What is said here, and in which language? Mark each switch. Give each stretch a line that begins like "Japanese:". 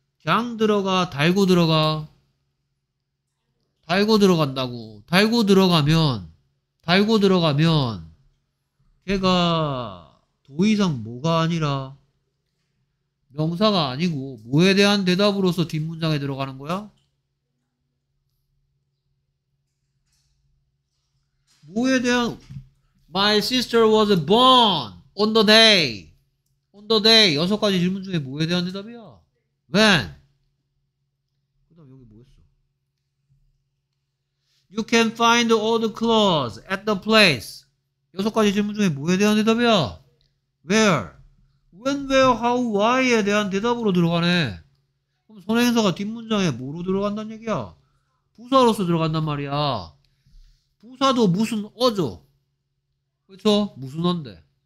Korean: 장 들어가, 달고 들어가. 달고 들어간다고. 달고 들어가면, 달고 들어가면, 걔가 더 이상 뭐가 아니라, 명사가 아니고, 뭐에 대한 대답으로서 뒷문장에 들어가는 거야? 뭐에 대한,
English: My sister was born on the day. On the day.
Korean: 여섯 가지 질문 중에 뭐에 대한 대답이야?
English: When? You can find all the clothes at the place.
Korean: 여섯 가지 질문 중에 뭐에 대한 대답이야?
English: Where? When, where, how, why
Korean: 에 대한 대답으로 들어가네. 그럼 선행사가 뒷문장에 뭐로 들어간단 얘기야? 부사로서 들어간단 말이야. 부사도 무슨 어죠? 그렇죠? 무슨 어인데?